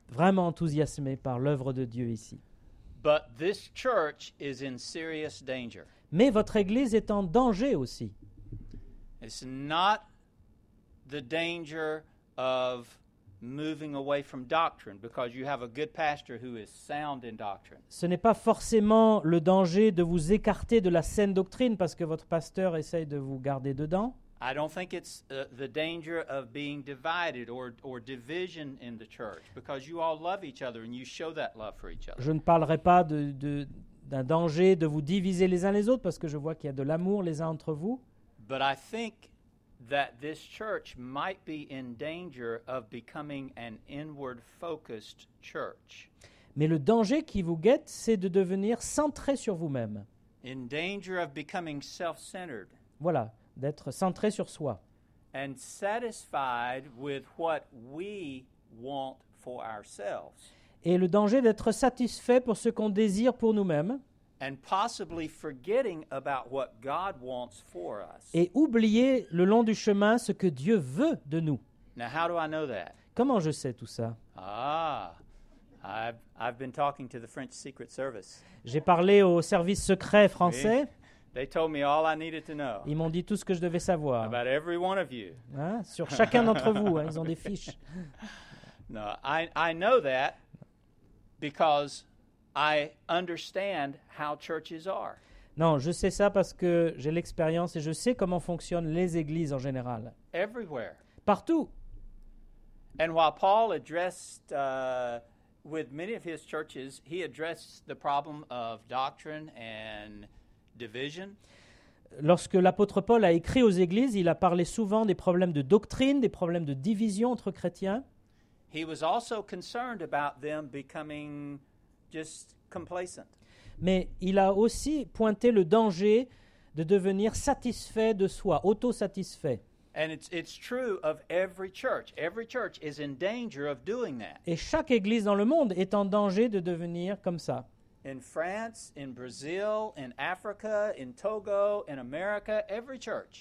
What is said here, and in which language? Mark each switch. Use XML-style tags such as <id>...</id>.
<fr>Vraiment enthousiasmé par l'œuvre de Dieu ici.</fr> <en>But this church is in serious danger.</en> <fr>Mais votre église est en danger aussi.</fr> <en>It's not the danger of moving away from doctrine because you have a good pastor who is sound in doctrine.</en> <fr>Ce n'est pas forcément le danger de vous écarter de la saine doctrine parce que votre pasteur essaye de vous garder dedans.</fr> <en>I don't think it's the danger of being divided or division in the church because you all love each other and you show that love for each other.</en> <fr>Je ne parlerai pas d'un danger de vous diviser les uns les autres parce que je vois qu'il y a de l'amour les uns entre vous.</fr> <en>But I think that this church might be in danger of becoming an inward-focused church.</en> <fr>Mais le danger qui vous guette, c'est de devenir centré sur vous-même.</fr> <en>In danger of becoming self-centered.</en> <fr>Voilà, d'être centré sur soi.</fr> <en>And satisfied with what we want for ourselves.</en> <fr>Et le danger d'être satisfait pour ce qu'on désire pour nous-mêmes.</fr> <en>And possibly forgetting about what God wants for us.</en> <fr>Et oublier le long du chemin ce que Dieu veut de nous.</fr> <en>Now, how do I know that?</en> <fr>Comment je sais tout ça?</fr> <en>Ah, I've been talking to the French Secret Service.</en> <fr>J'ai parlé au service secret français.</fr> <en>They told me all I needed to know.</en> <fr>Ils m'ont dit tout ce que je devais savoir.</fr> <en>About every one of you.</en> <fr>Hein? Sur chacun d'entre vous, hein? Ils ont des fiches.</fr> <en>No, I know that because I understand how churches are.</en> <fr>Non, je sais ça parce que j'ai l'expérience et je sais comment fonctionnent les églises en général.</fr> <en>Everywhere.</en> <fr>Partout.</fr> <en>And while Paul addressed with many of his churches, he addressed the problem of doctrine and division.</en> <fr>Lorsque l'apôtre Paul a écrit aux églises, il a parlé souvent des problèmes de doctrine, des problèmes de division entre chrétiens.</fr> <en>He was also concerned about them becoming just complacent.</en> <fr>Mais il a aussi pointé le danger de devenir satisfait de soi, autosatisfait.</fr> <en>And it's true of every church. Every church is in danger of doing that.</en> <fr>Et chaque église dans le monde est en danger de devenir comme ça.</fr> <en>In France, in Brazil, in Africa, in Togo, in America, every church.</en>